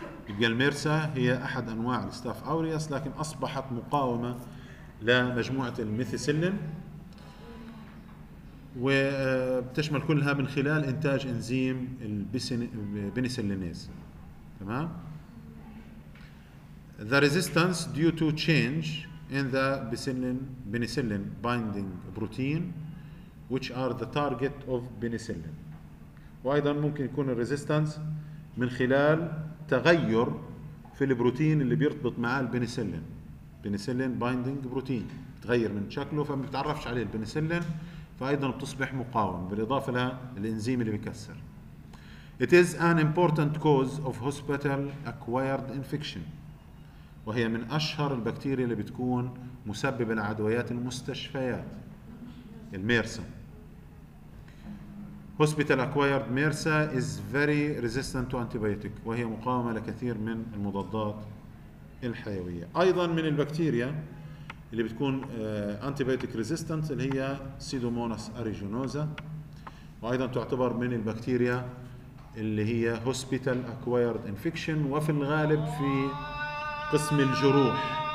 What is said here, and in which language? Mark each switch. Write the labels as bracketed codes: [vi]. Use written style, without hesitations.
[ar] الميرسا هي احد انواع الستاف اورياس لكن اصبحت مقاومه لمجموعه الميثاسيلين وبتشمل كلها من خلال انتاج انزيم البنسلينيز. تمام. [en] The resistance due to change in the penicillin binding protein which are the target of penicillin. [ar] وأيضا ممكن يكون الريزيستنس من خلال تغير في البروتين اللي بيرتبط معاه البنسلين. بنسلين [en] binding protein [ar] تغير من شكله فما بتعرفش عليه البنسلين فأيضا بتصبح مقاوم بالإضافة لها الإنزيم اللي بيكسر. [en] It is an important cause of hospital acquired infection. [ar] وهي من أشهر البكتيريا اللي بتكون مسببة لعدويات المستشفيات. [en] الميرسا Hospital Acquired MRSA is very resistant to antibiotic. [ar] وهي مقاومة لكثير من المضادات الحيوية. أيضا من البكتيريا اللي بتكون [en] antibiotic resistant [ar] اللي هي Pseudomonas aeruginosa وأيضا تعتبر من البكتيريا اللي هي [en] Hospital Acquired Infection [ar] وفي الغالب في قسم الجروح.